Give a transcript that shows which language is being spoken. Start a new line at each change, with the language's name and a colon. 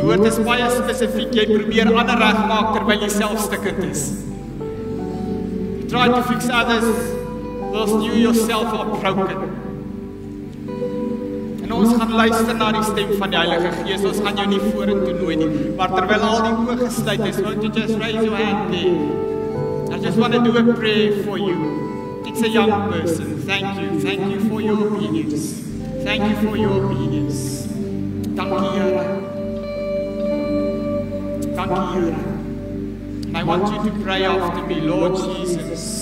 Afrikaans: Jy probeer ander reg maak terwyl jy self stukkend is.
English: You try to fix others whilst you yourself are broken.
Afrikaans: En ons gaan luister na die stem van die Heilige Gees. Ons gaan jou nie vorentoe nooi nie. Maar terwyl al die oë gesluit is, want you just raise your hand there.
English: I just want to do a prayer for you. It's a young person. Thank you. Thank you for your obedience. Thank you for your obedience. Dankie, Here. And I want you to pray after me, Lord Jesus.